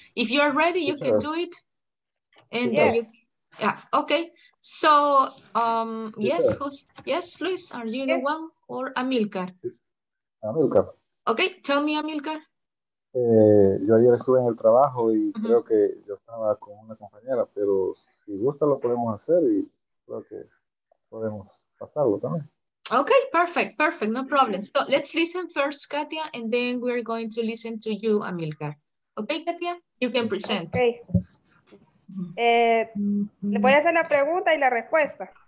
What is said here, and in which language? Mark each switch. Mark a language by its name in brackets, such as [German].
[English] If you are ready, you can do it. And yes. Okay. So, yes, who's, yes, Luis, are you the one or Amilcar? Amilcar. Okay, tell me, Amilcar. [Spanish] Yo ayer estuve en el trabajo y creo que yo estaba con una compañera, pero si gusta lo podemos hacer y creo que podemos pasarlo también. [English] Okay, perfect, perfect, no problem. So let's listen first, Katia, and then we're going to listen to you, Amilcar. Okay, Katia, you can present. Okay. [Spanish] Le voy a hacer la pregunta y la respuesta.